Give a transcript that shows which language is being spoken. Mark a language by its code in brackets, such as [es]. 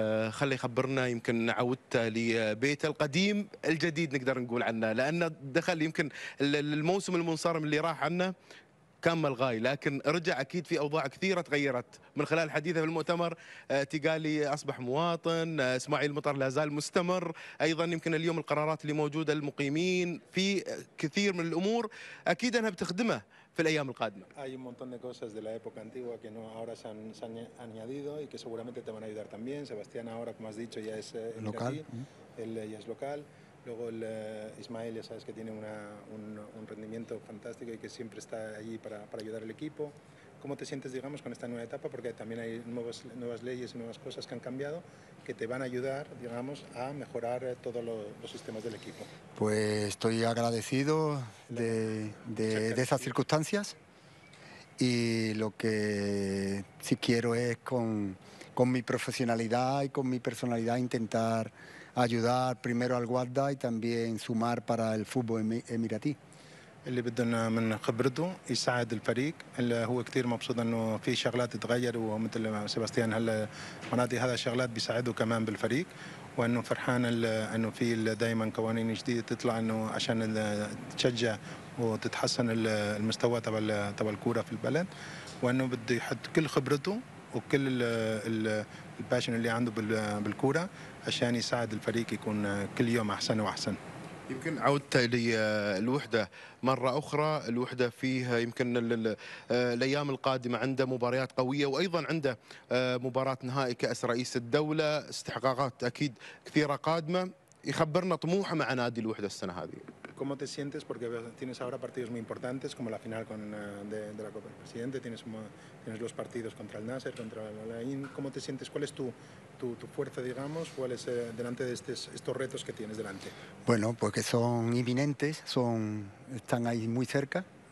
[ar] خلي يخبرنا يمكن عودت لبيت القديم الجديد نقدر نقول عنه، لان دخل يمكن الموسم المنصرم اللي راح عنه كان ملغاي، لكن رجع اكيد في اوضاع كثيره تغيرت من خلال حديثه في المؤتمر. تقالي اصبح مواطن، اسماعيل مطر لا زال مستمر، ايضا يمكن اليوم القرارات اللي موجوده للمقيمين، في كثير من الامور اكيد انها بتخدمه في الايام القادمه. [es] Hay un montón de cosas de la época antigua que no ahora se han añadido y que seguramente te van a ayudar también. Sebastián ahora como has dicho ya es local. Él ya es local. Luego el Ismael ya sabes que tiene un rendimiento fantástico y que siempre está allí para ayudar al equipo. ¿Cómo te sientes, digamos, con esta nueva etapa? Porque también hay nuevas leyes y nuevas cosas que han cambiado que te van a ayudar, digamos, a mejorar todos los sistemas del equipo. Pues estoy agradecido de esas circunstancias y lo que sí quiero es con mi profesionalidad y con mi personalidad intentar ayudar primero al Wahda y también sumar para el fútbol emiratí. [ar] اللي بدنا من خبرته يساعد الفريق، اللي هو كثير مبسوط انه في شغلات تغير، ومثل سيباستيان هلا مناطي هذا الشغلات بيساعده كمان بالفريق، وانه فرحان انه في دائما قوانين جديده تطلع انه عشان تشجع وتتحسن المستوى تبع الكوره في البلد، وانه بده يحط كل خبرته وكل الباشن اللي عنده بالكوره عشان يساعد الفريق يكون كل يوم احسن واحسن. يمكن عودت للوحدة مرة أخرى، الوحدة فيها يمكن الأيام القادمة عنده مباريات قوية وأيضا عنده مباراة نهائي كأس رئيس الدولة، استحقاقات أكيد كثيرة قادمة، يخبرنا طموحه مع نادي الوحدة السنة هذه. [es] ¿Cómo te sientes? Porque tienes ahora partidos muy importantes como la final de la Copa del Presidente, tienes los partidos contra el Nasser, contra el Al-Ain. ¿Cómo te sientes? ¿Cuál es tu fuerza, digamos? ¿Cuál es delante de estos retos que tienes delante? Bueno, pues que son inminentes, están ahí muy cerca.